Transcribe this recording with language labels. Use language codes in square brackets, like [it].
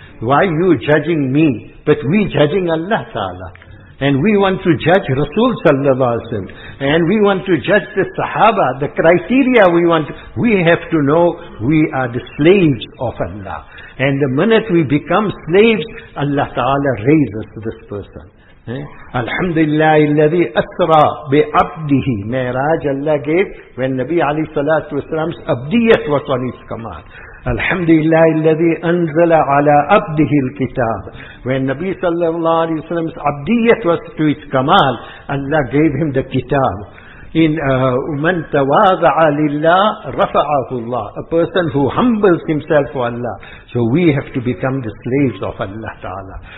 [en] Why you judging me? But we judging Allah Ta'ala. And we want to judge Rasul Sallallahu Alaihi Wasallam. And we want to judge the Sahaba. The criteria we want. We have to know we are the slaves of Allah. And the minute we become slaves, Allah Ta'ala raises this person. Alhamdulillah, [ar] الَّذِي أَسْرَى بِعَبْدِهِ. [en] Miraj Allah gave when Nabi Ali Sallallahu Alaihi abdiyat was on his command. Alhamdulillah, [ar] الَّذِي أَنزَلَ عَلَى أَبْدِهِ الْكِتَابِ. [en] When Nabi Sallallahu Alaihi Wasallam's abdiyat was to its kamal, Allah gave him the kitab. In [ar] مَنْ تَوَاضَعَ لِلَّهِ رَفَعَهُ اللَّهِ. [en] A person who humbles himself for Allah. So we have to become the slaves of Allah Ta'ala.